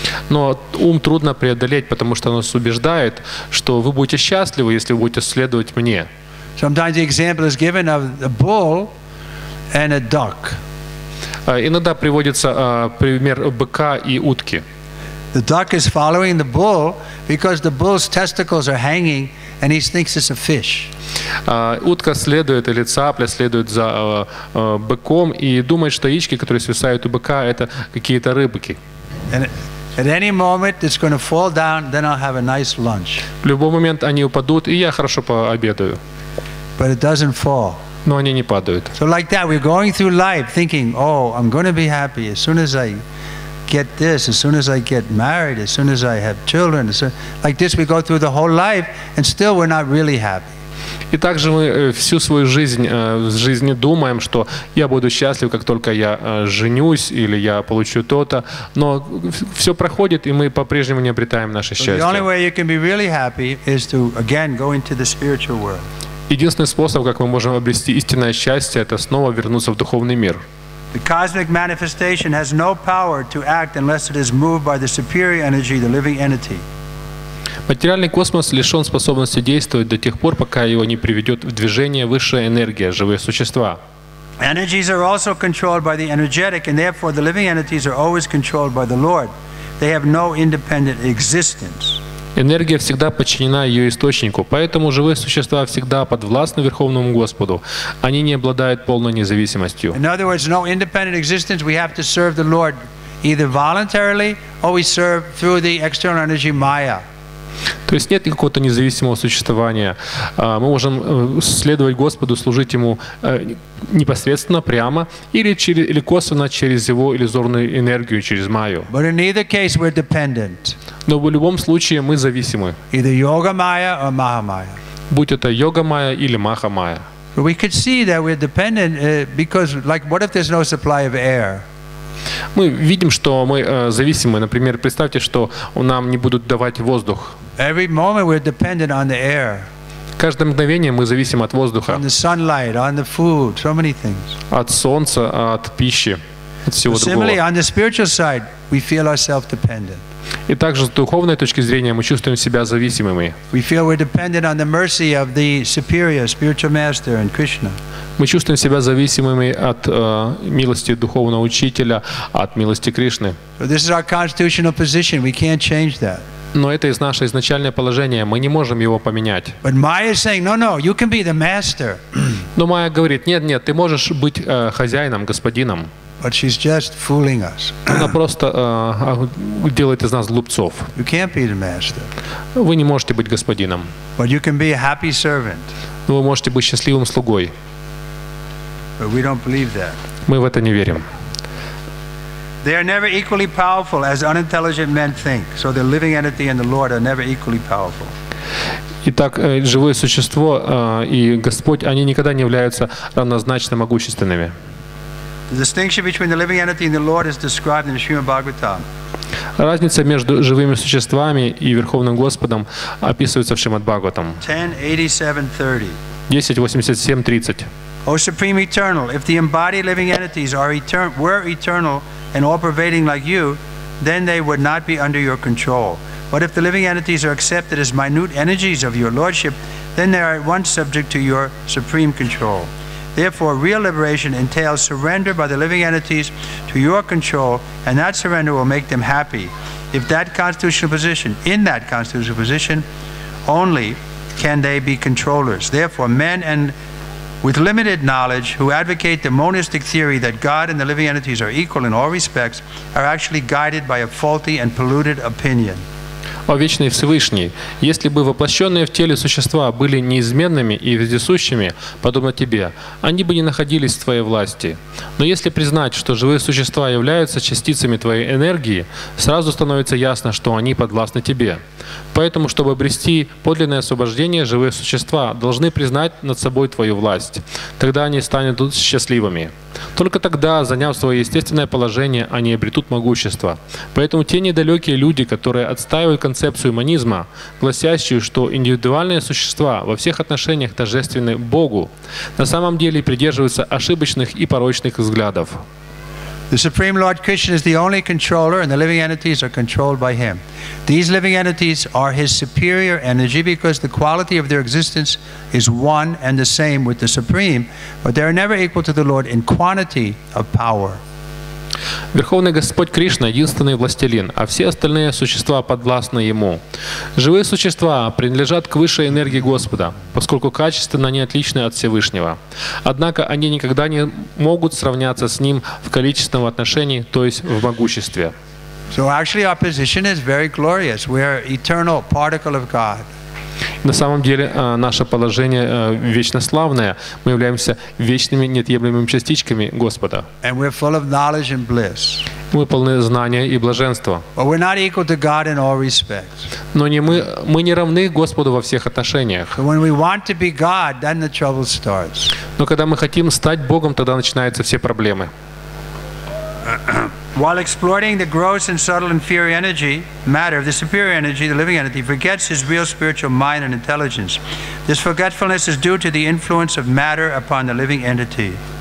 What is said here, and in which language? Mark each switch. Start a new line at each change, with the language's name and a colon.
Russian: Но ум трудно преодолеть, потому что нас убеждает, что вы будете счастливы, если вы будете следовать мне.
English: Sometimes the example is given of the bull and a duck.
Russian: Иногда приводится пример быка и утки.
English: The duck is following the bull because the bull's testicles are hanging and he thinks it's a fish.
Russian: Утка следует или цапля следует за быком и думает, что яички, которые свисают у быка, это какие-то рыбки.
English: And at any moment it's going to fall down, then I'll have a nice lunch.
Russian: В любой момент они упадут, и я хорошо пообедаю.
English: But it doesn't fall.
Russian: Но они не падают.
English: So like that, we're going through life thinking, oh, I'm going to be happy as soon as I get this, as soon as I get married, as soon as I have children. So like this, we go through the whole life, and still we're not really happy.
Russian: И также мы всю свою жизнь в жизни думаем, что я буду счастлив, как только я женюсь или я получу то-то, но все проходит, и мы по-прежнему не обретаем наше счастье.
English: The only way you can be really happy is to again go into the spiritual world.
Russian: Единственный способ, как мы можем обрести истинное счастье, это снова вернуться в духовный мир.
English: The cosmic manifestation has no power to act unless it is moved by the superior energy, the living entity.
Russian: Материальный космос лишен способности действовать до тех пор, пока его не приведет в движение высшая энергия, живые существа.
English: Energies are also controlled by the energetic, and therefore the living entities are always controlled by the Lord. They have no independent existence.
Russian: Энергия всегда подчинена ее источнику, поэтому живые существа всегда подвластны Верховному Господу. Они не обладают полной независимостью.
English: In other words, no independent existence. We have to serve the Lord either voluntarily or we serve through the external energy Maya.
Russian: То есть нет никакого независимого существования. Мы можем следовать Господу, служить Ему непосредственно, прямо, или косвенно через Его иллюзорную энергию, через Майю.
English: But in either case we're dependent.
Russian: Но в любом случае мы зависимы.
English: Either yoga maya or maha maya.
Russian: Будь это йога майя или маха майя.
English: We could see that we're dependent because, like, what if there's no supply of air?
Russian: Мы видим, что мы зависимы. Например, представьте, что нам не будут давать воздух.
English: Every moment we're dependent on the air.
Russian: Каждое мгновение мы зависим от воздуха.
English: On the sunlight, on the food, so many things.
Russian: От солнца, от пищи.
English: Similarly, on the spiritual side, we feel ourselves dependent.
Russian: И также с духовной точки зрения мы чувствуем себя зависимыми.
English: We feel we're dependent on the mercy of the superior spiritual master and Krishna.
Russian: Мы чувствуем себя зависимыми от милости духовного учителя, от милости Кришны.
English: So this is our constitutional position. We can't change that.
Russian: Но это из нашего изначальное положение, мы не можем его поменять.
English: But Maya is saying, no, no, you can be the master.
Russian: Но Майя говорит, нет, нет, ты можешь быть хозяином, господином.
English: But she's just fooling us.
Russian: Она просто делает из нас глупцов.
English: You can't be the master.
Russian: Вы не можете быть господином.
English: But you can be a happy servant.
Russian: Но вы можете быть счастливым слугой.
English: But we don't believe that.
Russian: Мы в это не верим.
English: They are never equally powerful as unintelligent men think. So the living entity and the Lord are never equally powerful.
Russian: Итак, живое существо и Господь, они никогда не являются равнозначно могущественными.
English: The distinction between the living entity and the Lord is described in the Srimad Bhagavatam.
Russian: Разница между живыми существами и Верховным Господом описывается в Шримад Бхагаватам.
English: 10:87:30. O Supreme Eternal, if the embodied living entities are were eternal and all pervading like you, then they would not be under your control. But if the living entities are accepted as minute energies of your lordship, then they are at once subject to your supreme control. Therefore, real liberation entails surrender by the living entities to your control, and that surrender will make them happy. In that constitutional position, only can they be controllers. Therefore, men and with limited knowledge who advocate the monistic theory that God and the living entities are equal in all respects are actually guided by a faulty and polluted opinion.
Russian: О вечный Всевышний, если бы воплощенные в теле существа были неизменными и вездесущими, подобно тебе, они бы не находились в твоей власти. Но если признать, что живые существа являются частицами твоей энергии, сразу становится ясно, что они подвластны тебе. Поэтому, чтобы обрести подлинное освобождение, живые существа должны признать над собой твою власть. Тогда они станут счастливыми. Только тогда, заняв свое естественное положение, они обретут могущество. Поэтому те недалекие люди, которые отстаивают концепцию монизма, гласящую, что индивидуальные существа во всех отношениях тождественны Богу, на самом деле придерживаются ошибочных и порочных взглядов.
English: The Supreme Lord Krishna is the only controller, and the living entities are controlled by him. These living entities are his superior energy because the quality of their existence is one and the same with the Supreme, but they are never equal to the Lord in quantity of power.
Russian: Верховный Господь Кришна – единственный властелин, а все остальные существа подвластны Ему. Живые существа принадлежат к высшей энергии Господа, поскольку качественно они отличны от Всевышнего. Однако они никогда не могут сравняться с Ним в количественном отношении, то есть в могуществе.
English: So actually our position is very glorious. We are eternal particle of God.
Russian: На самом деле наше положение вечно славное. Мы являемся вечными неотъемлемыми частичками Господа.
English: And we're full of knowledge and bliss.
Russian: Мы полны знания и блаженства.
English: But we're not equal to God in all respects.
Russian: Но мы не равны Господу во всех отношениях.
English: When we want to be God, then the trouble starts.
Russian: Но когда мы хотим стать Богом, тогда начинаются все проблемы.
English: While exploiting the gross and subtle inferior energy, matter of the superior energy, the living entity, forgets his real spiritual mind and intelligence. This forgetfulness is due to the influence of matter upon the living entity.